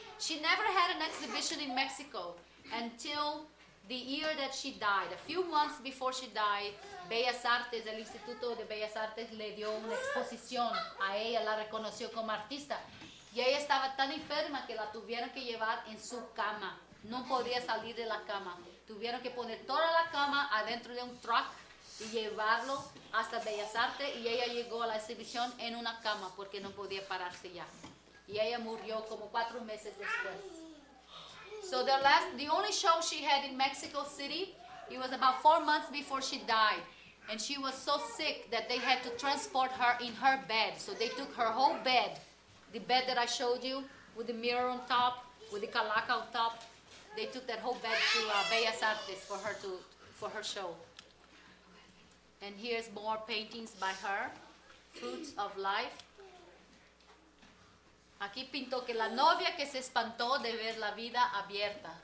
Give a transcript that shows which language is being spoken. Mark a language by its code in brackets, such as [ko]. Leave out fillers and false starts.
[en] She never had an exhibition in Mexico until the year that she died. A few months before she died, [es] Bellas Artes, el Instituto de Bellas Artes, le dio una exposición a ella, la reconoció como artista. Y ella estaba tan enferma que la tuvieron que llevar en su cama. No podía salir de la cama. Tuvieron que poner toda la cama adentro de un truck y llevarlo hasta Bellas Artes. Y ella llegó a la exhibición en una cama porque no podía pararse ya. Y ella murió como 4 meses después. [en] So the only show she had in Mexico City, it was about 4 months before she died. And she was so sick that they had to transport her in her bed. So they took her whole bed, the bed that I showed you with the mirror on top, with the calaca on top. They took that whole bed to Bellas Artes for her show. And here's more paintings by her, Fruits of Life. [es] Aquí pintó que la novia que se espantó de ver la vida abierta.